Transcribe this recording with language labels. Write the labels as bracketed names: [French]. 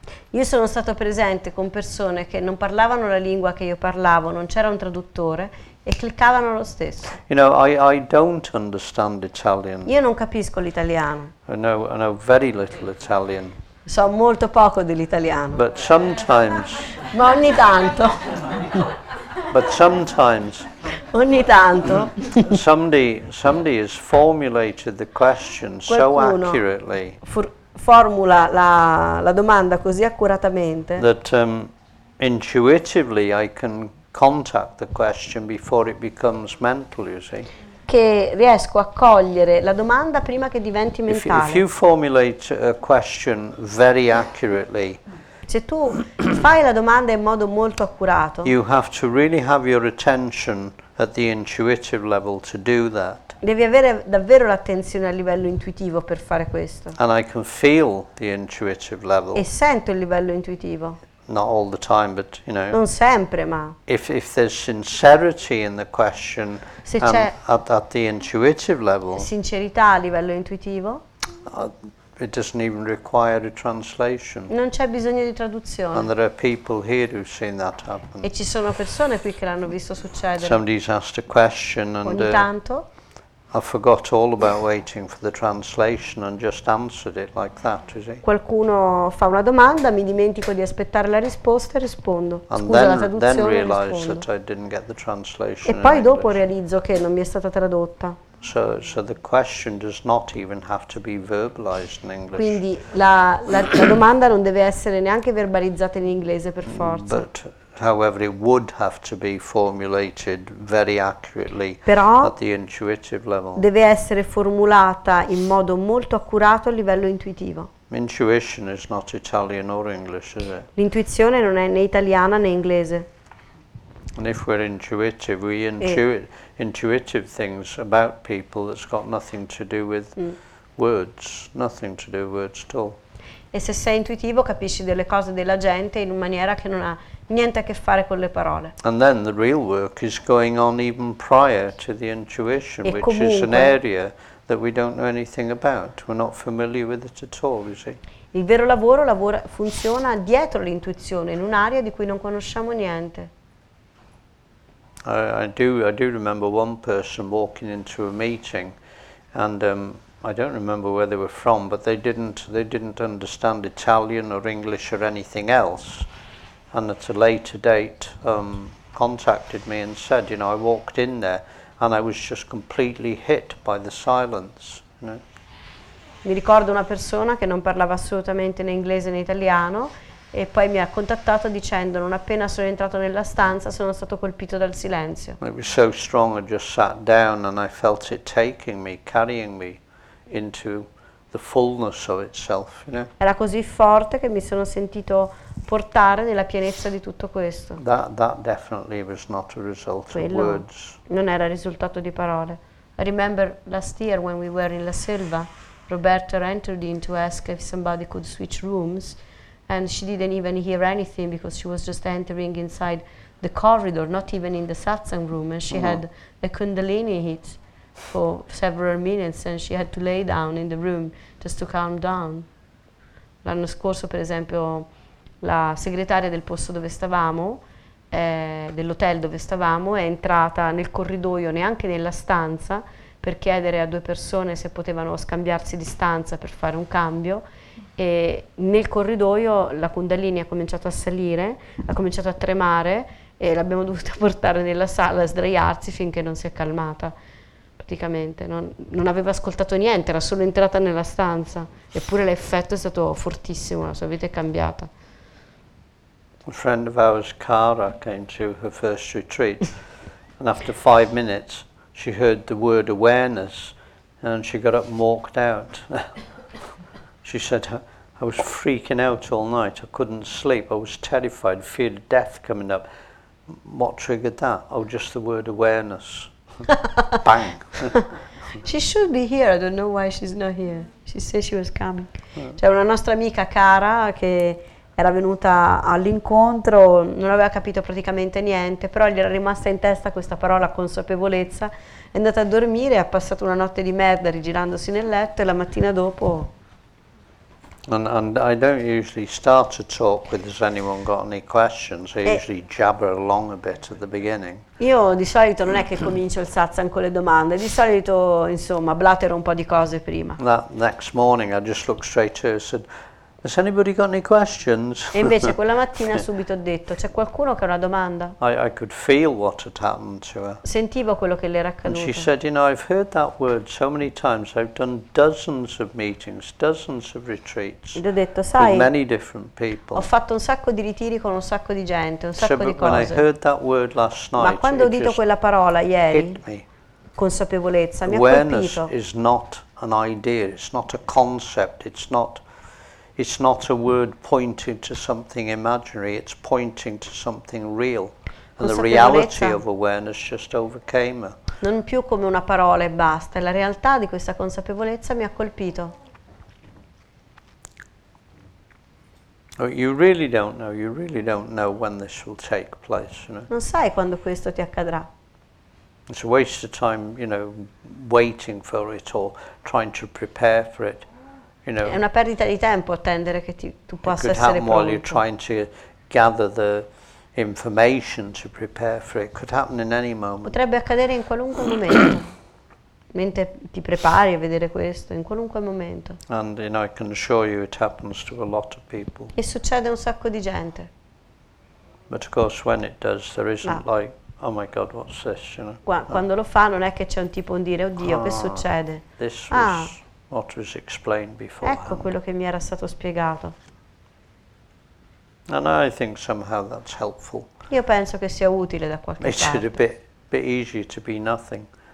[Italian] Io sono stato presente con persone che non parlavano la lingua che io parlavo, non c'era un traduttore e cliccavano lo stesso. [English] You know, I don't understand Italian. [Italian] Io non capisco l'italiano. [English] I know very little Italian. [Italian] So molto poco dell'italiano. [English] But sometimes. [Italian] Ma ogni tanto. [English] But sometimes. [Italian] Ogni tanto. [English] Somebody has formulated the question so accurately. [Italian] Formula la domanda così accuratamente. [English] That intuitively I can contact the question before it becomes mental, you see. [Italian] Che riesco a cogliere la domanda prima che diventi mentale. [English] If you formulate a question very accurately. [Italian] Se tu fai la domanda in modo molto accurato. [English] You have to really have your attention at the intuitive level to do that. [Italian] Devi avere davvero l'attenzione a livello intuitivo per fare questo. [English] And I can feel the intuitive level. [Italian] E sento il livello intuitivo. [English] Not all the time, but you know. [Italian] Non sempre, ma. [English] If there's sincerity in the question, [Italian] se c'è [English] at the intuitive level. [Italian] Sincerità a livello intuitivo. [English] It doesn't even require a translation. [Italian] Non c'è bisogno di traduzione. [English] And there are people here who've seen that happen. [Italian] E ci sono persone qui che l'hanno visto succedere. [English] Somebody's asked a question and. [Italian] Ogni tanto. [English] I forgot all about waiting for the translation and just answered it like that, you see. [Italian] Qualcuno fa una domanda, mi dimentico di aspettare la risposta e rispondo. [English] Then realize that I didn't get the translation. [Italian] E poi dopo realizzo che non mi è stata tradotta. [English] So the question does not even have to be verbalized in English. [Italian] Quindi la domanda non deve essere neanche verbalizzata in inglese per forza. [English] But however, it would have to be formulated very accurately. [Italian] Però [English] at the intuitive level. [Italian] Deve essere formulata in modo molto accurato a livello intuitivo. [English] Intuition is not Italian or English, is it? [Italian] L'intuizione non è né italiana né inglese. [English] And if we're intuitive, we intuitive things about people that's got nothing to do with words, nothing to do with words at all. E se sei intuitivo capisci delle cose della gente in maniera che non ha niente a che fare con le parole. And then the real work is going on even prior to the intuition, which is an area that we don't know anything about. We're not familiar with it at all, you see. [Italian] Il vero lavoro funziona dietro l'intuizione, in un'area di cui non conosciamo niente. [English] I do remember one person walking into a meeting and I don't remember where they were from, but they didn't understand Italian or English or anything else. And at a later date, contacted me and said, you know, I walked in there and I was just completely hit by the silence. You know? [Italian] Mi ricordo una persona che non parlava assolutamente né inglese né italiano e poi mi ha contattato dicendo, non appena sono entrato nella stanza, sono stato colpito dal silenzio. [English] It was so strong, I just sat down and I felt it taking me, carrying me into the fullness of itself, you know. [Italian] Era così forte che mi sono sentito portare nella pienezza di tutto questo. [English] That definitely was not a result [Italian] Quello [English] of words. [Italian] Non era risultato di parole. [English] I remember last year when we were in La Selva, Roberta entered in to ask if somebody could switch rooms, and she didn't even hear anything because she was just entering inside the corridor, not even in the satsang room, and she had a kundalini hit for several minutes and she had to lay down in the room just to calm down. [Italian] L'anno scorso, per esempio, la segretaria del posto dove stavamo, dell'hotel dove stavamo, è entrata nel corridoio, neanche nella stanza, per chiedere a due persone se potevano scambiarsi di stanza per fare un cambio. E nel corridoio la kundalini ha cominciato a salire, ha cominciato a tremare e l'abbiamo dovuta portare nella sala a sdraiarsi finché non si è calmata. praticamente, non aveva ascoltato niente, era solo entrata nella stanza, eppure l'effetto è stato fortissimo, la sua vita è cambiata. [English] A friend of ours, Cara, came to her first retreat, and after 5 minutes, she heard the word awareness, and she got up and walked out. She said, I was freaking out all night, I couldn't sleep, I was terrified, feared death coming up. What triggered that? Oh, just the word awareness. Bang. She should be here, I don't know why she's not here. She said she was coming. [Italian] C'è una nostra amica cara che era venuta all'incontro, non aveva capito praticamente niente, però gli era rimasta in testa questa parola consapevolezza, è andata a dormire, ha passato una notte di merda rigirandosi nel letto e la mattina dopo... [English] And I don't usually start a talk with has anyone got any questions. I usually jabber along a bit at the beginning. [Italian] Io di solito non è che comincio il satsang con le domande. Di solito, insomma, blatero un po' di cose prima. [English] That next morning I just looked straight to her and said, has anybody got any questions? [Italian] E invece quella mattina subito ho detto, c'è qualcuno che ha una domanda? [English] I could feel what had happened to her. [Italian] Sentivo quello che le era accaduto. [English] And she said, you know, I've heard that word so many times, I've done dozens of meetings, dozens of retreats. [Italian] Ed ho detto, sai, [English] with many different people. [Italian] Ho fatto un sacco di ritiri con un sacco di gente, un sacco di cose. [English] When I heard that word last night, [Italian] ma quando ho udito quella parola ieri, [English] hit me. [Italian] Consapevolezza, mi [English] awareness [Italian] ha colpito. [English] Awareness is not an idea, it's not a concept, it's not... It's not a word pointing to something imaginary, it's pointing to something real. And the reality of awareness just overcame her. [Italian] Non più come una parola e basta, la realtà di questa consapevolezza mi ha colpito. [English] You really don't know, you really don't know when this will take place, you know. [Italian] Non sai quando questo ti accadrà. [English] It's a waste of time, you know, waiting for it or trying to prepare for it. You know, [Italian] è una perdita di tempo attendere che tu possa essere pronto. [English] It could happen while you're trying to gather the information to prepare for it. It could happen in any moment. [Italian] Potrebbe accadere in qualunque momento, mentre ti prepari a vedere questo, in qualunque momento. [English] And you know, I can assure you it happens to a lot of people. [Italian] E succede a un sacco di gente. [English] But of course when it does there isn't like, oh my God, what's this? You know? [Italian] Quando lo fa non è che c'è un tipo a dire, oddio, che succede? [English] This was what was explained before. [Italian] Ecco quello che mi era stato spiegato. [English] And I think somehow that's helpful. [Italian] Io penso che sia utile da qualche [English] makes [Italian] parte. [English] It a bit easier to be nothing.